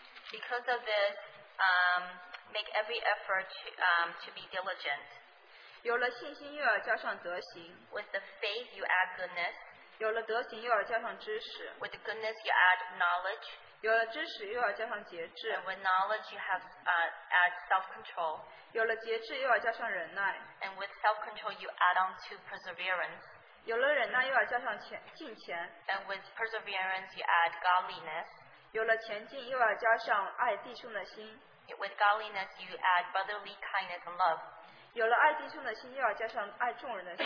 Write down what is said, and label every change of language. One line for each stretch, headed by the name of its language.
English: Because of this, make every effort to be diligent.
Chinese: 有了信心，又要加上德行。
English: With the faith, you add goodness.
Chinese: 有了德行，又要加上知识。
English: With the goodness, you add knowledge.
Chinese: 有了知识，又要加上节制。
English: And with knowledge, you have add self-control.
Chinese: 有了节制，又要加上忍耐。
English: And with self-control, you add on to perseverance.
Chinese: 有了忍耐，又要加上敬虔。
English: And with perseverance, you add godliness.
Chinese: 有了前进，又要加上爱弟兄的心。
English: With godliness, you add brotherly kindness and love.
Chinese: 有了爱弟兄的心，又要加上爱众人的心。